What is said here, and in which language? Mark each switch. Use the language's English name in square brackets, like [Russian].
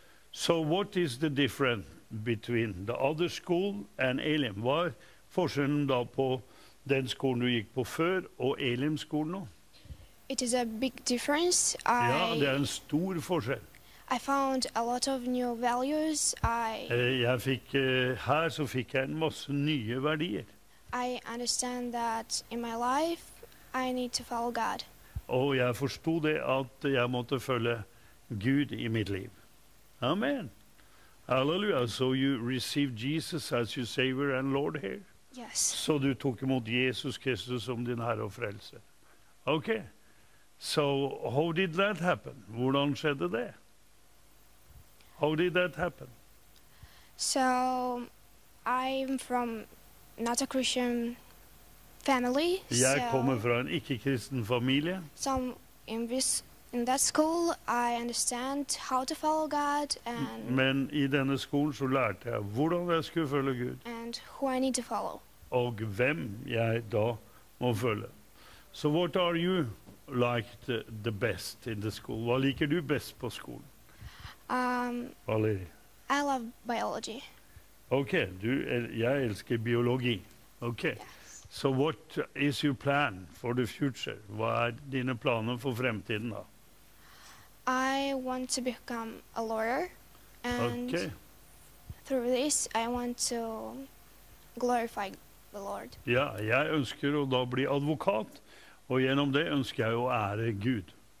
[English] So what is the difference between the other school and Elim? [Norwegian] Hva er forskjellen da på den skolen du gikk på før og Elim skolen nå? [English] It is a big difference. [Norwegian] Ja, det er en stor forskjell. [English] I found a lot of new values. [Norwegian] Her fikk jeg en masse nye verdier. [English] I understand that in my life I need to follow God. [Norwegian] Og jeg forstod det at jeg måtte følge Gud i mitt liv. Amen. Hallelujah. [English] So you received Jesus as your Savior and Lord here? Yes. [Norwegian] Så du tok imot Jesus Kristus som din Herre og frelse. Okay. [English] So, how did that happen? [Norwegian] Hvordan skjedde det? [English] How did that happen? So, I'm from not a Christian family. [Norwegian] Jeg kommer fra en ikke-kristen familie. [English] So, in this In that school I understand how to follow God and [Norwegian] Men i denne skolen så lærte jeg hvordan jeg skulle følge Gud. [English] And who I need to follow. [Norwegian] Og hvem jeg da må følge. [English] So what are you like the best in the school? [Norwegian] Hva liker du best på skolen? [English] Valerie. I love biology. [Norwegian] Okay, du jeg elsker biologi. [English] Okay. Yes. So what is your plan for the future? [Norwegian] Hva dine planer for fremtiden da? [English] I want to become a lawyer, and okay. through this, I want to glorify the Lord. [Norwegian] Ja, jeg ønsker å da bli advokat, og gjennom det ønsker jeg å ære Gud.